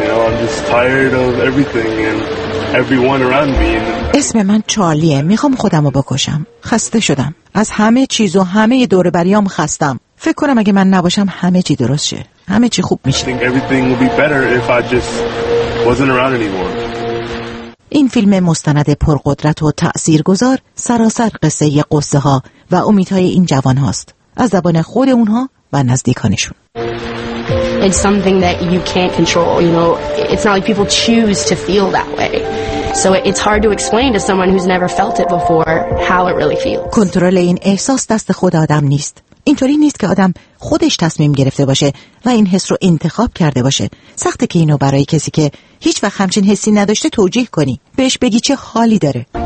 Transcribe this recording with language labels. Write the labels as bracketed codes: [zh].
[en] You know, I'm just tired of everything and everyone around me. [fa] اسم من چارلیه. میخوام خودمو بکشم. خسته شدم. از همه چیز و همه دور بریام خستم. فکر کنم اگه من نباشم همه چی درست شه. همه چی خوب میشه. [en] I think everything would be better if I just wasn't around anymore. [fa] این فیلم مستند پرقدرت و تأثیرگذار سراسر قصه قصه ها و امیدهای این جوان هاست، از زبان خود اونها و نزدیکانشون. [en] It's something that you can't control, you know. It's not like people choose to feel that way. So it's hard to explain to someone who's never felt it before how it really feels. [fa] کنترل این احساس دست خود آدم نیست. اینطوری نیست که آدم خودش تصمیم گرفته باشه و این حس رو انتخاب کرده باشه. سخته که اینو برای کسی که هیچ وقت همچین حسی نداشته توجیه کنی. بهش بگی چه حالی داره.